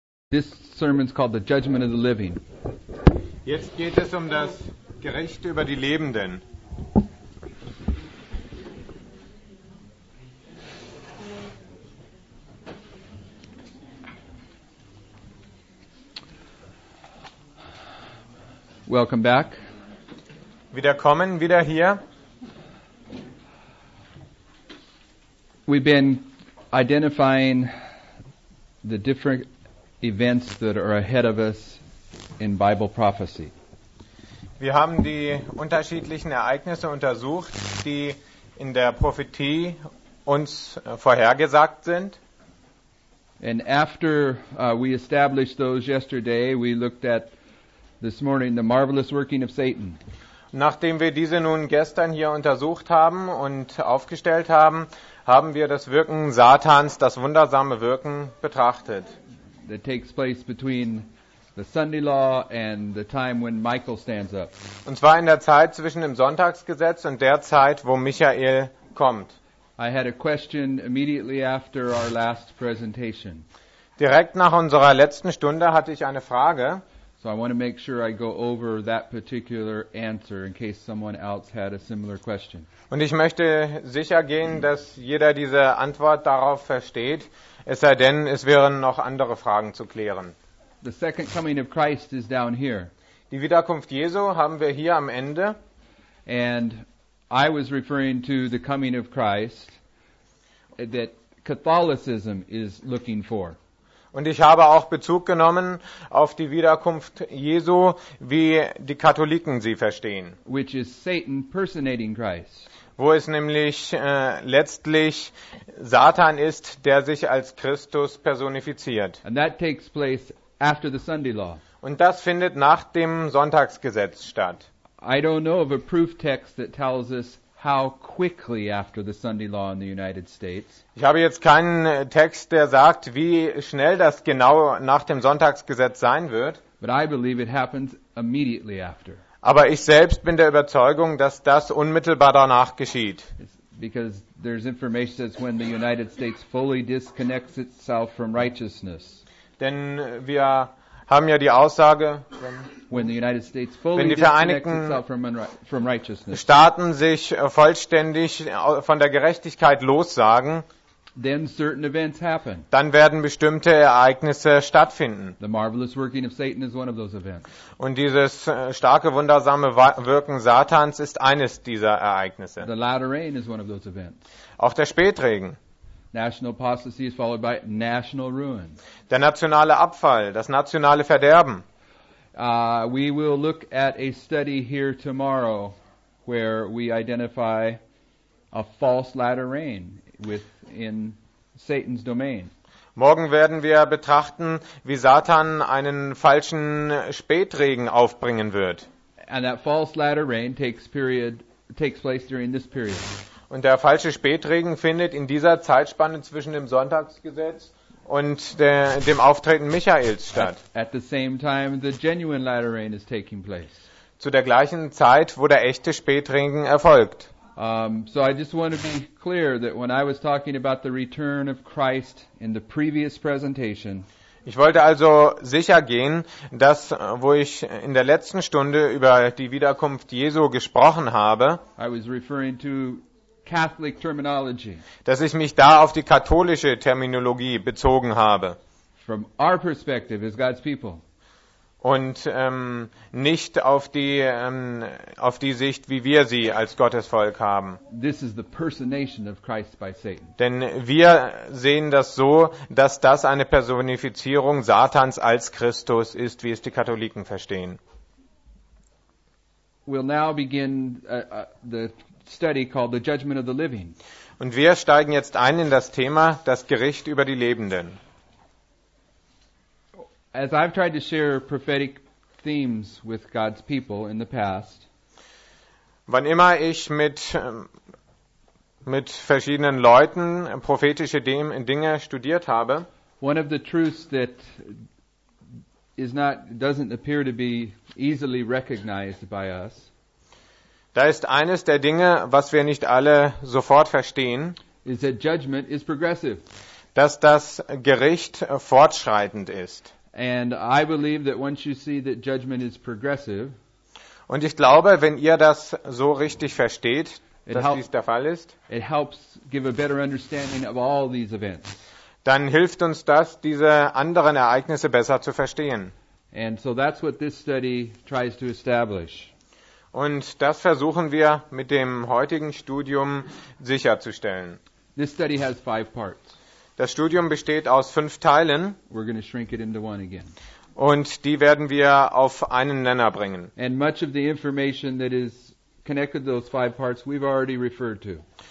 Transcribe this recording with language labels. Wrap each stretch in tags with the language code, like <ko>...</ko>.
<en>This sermon's called The Judgment of the Living.</en> <de>Jetzt geht es um das Gericht über die Lebenden.</de> <en>Welcome back.</en> <de>Wiederkommen, wieder hier.</de> <en>We've been identifying the different events that are ahead of us in Bible prophecy.</en> <de>Wir haben die unterschiedlichen Ereignisse untersucht, die in der Prophetie uns vorhergesagt sind.</de> <en>And after we established those yesterday, we looked at this morning the marvelous working of Satan.</en> <de>Nachdem wir diese nun gestern hier untersucht haben und aufgestellt haben, haben wir das Wirken Satans, das wundersame Wirken, betrachtet.</de> <en>That takes place between the Sunday law and the time when Michael stands up.</en> <de>Und zwar in der Zeit zwischen dem Sonntagsgesetz und der Zeit, wo Michael kommt.</de> <en>I had a question immediately after our last presentation.</en> <de>Direkt nach unserer letzten Stunde hatte ich eine Frage.</de> <en>So I want to make sure I go over that particular answer in case someone else had a similar question.</en> <de>Und ich möchte sicher gehen, dass jeder diese Antwort darauf versteht. Es sei denn, es wären noch andere Fragen zu klären.</de> <en>The second coming of Christ is down here.</en> <de>Die Wiederkunft Jesu haben wir hier am Ende.</de> <en>And I was referring to the coming of Christ that Catholicism is looking for.</en> <de>Und ich habe auch Bezug genommen auf die Wiederkunft Jesu, wie die Katholiken sie verstehen.</de> <en>Which is Satan personating Christ.</en> <de>Wo es nämlich letztlich Satan ist, der sich als Christus personifiziert.</de> <en>And that takes place after the Sunday law.</en> <de>Und das findet nach dem Sonntagsgesetz statt.</de> <en>I don't know of a proof text that tells us how quickly after the Sunday law in the United States.</en> <de>Ich habe jetzt keinen Text, der sagt, wie schnell das genau nach dem Sonntagsgesetz sein wird.</de> <en>But I believe it happens immediately after.</en> <de>Aber ich selbst bin der Überzeugung, dass das unmittelbar danach geschieht.</de> <en>Because there's information that's when the United States fully disconnects itself from righteousness.</en> <de>Denn wir haben ja die Aussage,</de> <en>when the United States fully</en> <de>wenn die Vereinigten</de> <en>from righteousness,</en> <de>Staaten sich vollständig von der Gerechtigkeit lossagen,</de> <en>then certain events happen.</en> <de>Dann werden bestimmte Ereignisse stattfinden.</de> <en>The marvelous working of Satan is one of those events.</en> <de>Und dieses starke, wundersame Wirken Satans ist eines dieser Ereignisse.</de> <en>The latter rain is one of those events.</en> <de>Auch der Spätregen.</de> <en>National apostasy is followed by national ruin.</en> <de>Der nationale Abfall, das nationale Verderben.</de> <en>We will look at a study here tomorrow where we identify a false latter rain within Satan's domain.</en> <de>Morgen werden wir betrachten, wie Satan einen falschen Spätregen aufbringen wird.</de> <en>And that false latter rain takes place during this period.</en> <de>Und der falsche Spätregen findet in dieser Zeitspanne zwischen dem Sonntagsgesetz und dem Auftreten Michaels statt.</de> <en>At the same time the genuine latter rain is taking place.</en> <de>Zu der gleichen Zeit, wo der echte Spätregen erfolgt.</de> <en>So I just want to be clear that when I was talking about the return of Christ in the previous presentation,</en> <de>ich wollte also sicher gehen, dass wo ich in der letzten Stunde über die Wiederkunft Jesu gesprochen habe,</de> <en>I was referring to Catholic terminology.</en> <de>Dass ich mich da auf die katholische Terminologie bezogen habe.</de> <en>From our perspective as God's people.</en> <de>Und nicht auf die auf die Sicht, wie wir sie als Gottesvolk haben.</de> <en>This is the personation of Christ by Satan.</en> <de>Denn wir sehen das so, dass das eine Personifizierung Satans als Christus ist, wie es die Katholiken verstehen.</de> <en>We'll now begin the study called The Judgment of the Living.</en> <de>Und wir steigen jetzt ein in das Thema das Gericht über die Lebenden.</de> <en>As I've tried to share prophetic themes with God's people in the past,</en> <de>wann immer ich mit verschiedenen Leuten prophetische Dinge studiert habe,</de> <en>one of the truths that doesn't appear to be easily recognized by us,</en> <de>da ist eines der Dinge, was wir nicht alle sofort verstehen,</de> <en>is that judgment is progressive.</en> <de>Dass das Gericht fortschreitend ist.</de> <en>And I believe that once you see that judgment is progressive,</en> <de>und ich glaube, wenn ihr das so richtig versteht, dass dies der Fall ist,</de> <en>it helps give a better understanding of all these events.</en> <de>Dann hilft uns das, diese anderen Ereignisse besser zu verstehen.</de> <en>And so that's what this study tries to establish.</en> <de>Und das versuchen wir mit dem heutigen Studium sicherzustellen.</de> <en>This study has 5 parts.</en> <de>Das Studium besteht aus 5 Teilen.</de> <en>We're going to shrink it into one again.</en> <de>Und die werden wir auf einen Nenner bringen.</de> <en>And much of the information that is connected to those 5 parts we've already referred to.</en>